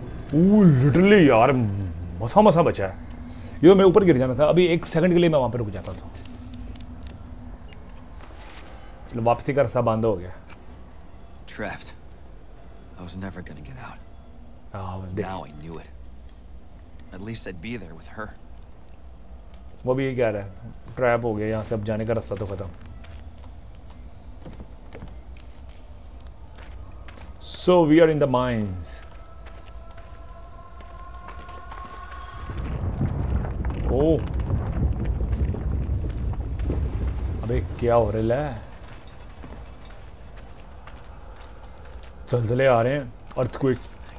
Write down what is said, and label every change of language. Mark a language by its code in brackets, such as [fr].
[hi] Literally यार मसा मसा बचा है ये, मैं ऊपर गिर जाना था अभी एक सेकंड के लिए, मैं वहां पर रुक जाता था। चलो वापसी का रास्ता बंद हो गया। [en] Trapped. I was never gonna get out. Now I knew it. At least I'd be there with her. [hi] वो भी ये कह रहा है, ट्रैप हो गया यहाँ से, अब जाने का रास्ता तो खत्म। [en] So we are in the mines. [hi] ओ अबे क्या हो रहा है, जलजले आ रहे हैं, अर्थक्वेक।